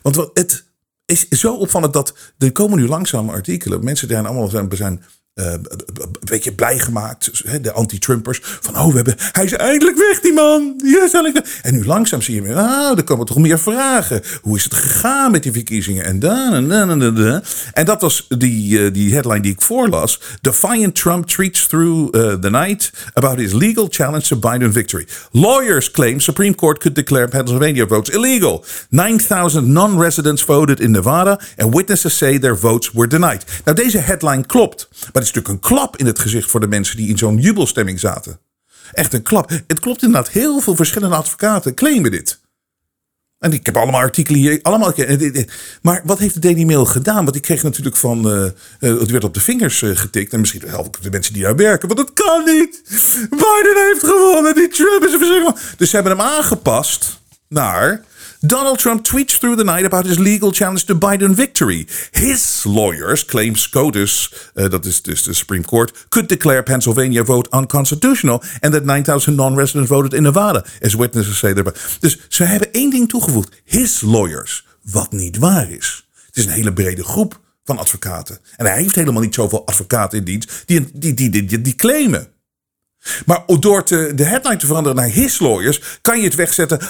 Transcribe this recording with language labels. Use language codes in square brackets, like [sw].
[nl] Want het is zo opvallend dat er komen nu langzame artikelen. Mensen zijn allemaal een beetje blij gemaakt. De anti-Trumpers. Van hij is eindelijk weg, die man. Yes, en nu langzaam zie je me. Er komen toch meer vragen. Hoe is het gegaan met die verkiezingen? En dan en dat was die headline die ik voorlas. [en] Defiant Trump tweets through the night about his legal challenge to Biden victory. Lawyers claim Supreme Court could declare Pennsylvania votes illegal. 9,000 non-residents voted in Nevada and witnesses say their votes were denied. [nl] Nou, deze headline klopt. Maar het is natuurlijk een klap in het gezicht voor de mensen die in zo'n jubelstemming zaten. Echt een klap. Het klopt inderdaad. Heel veel verschillende advocaten claimen dit. En ik heb allemaal artikelen hier. Allemaal. Maar wat heeft de Daily Mail gedaan? Want ik kreeg natuurlijk van. Het werd op de vingers getikt. En misschien helpen de mensen die daar werken. Want dat kan niet. Biden heeft gewonnen. Die Trump is een verschrikkelijk. Dus ze hebben hem aangepast naar. [en] Donald Trump tweets through the night about his legal challenge to Biden victory. His lawyers claim SCOTUS, [nl] dat is dus de Supreme Court, [en] could declare Pennsylvania vote unconstitutional and that 9,000 non-residents voted in Nevada, as witnesses say there. [nl] Dus ze hebben één ding toegevoegd. [en] His lawyers, [nl] wat niet waar is. Het is een hele brede groep van advocaten. En hij heeft helemaal niet zoveel advocaten in dienst die claimen. Maar door de headline te veranderen naar [en] his lawyers, [nl] kan je het wegzetten.